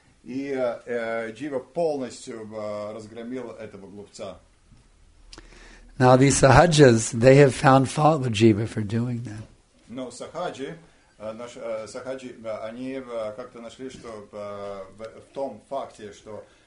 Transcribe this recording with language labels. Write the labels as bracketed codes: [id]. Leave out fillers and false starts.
[ru] И Jiva полностью разгромил этого глупца. [en] Now these sahajas, they have found fault with Jiva for doing that. [ru] Но сахаджи, сахаджи, они как-то нашли, что в том факте, что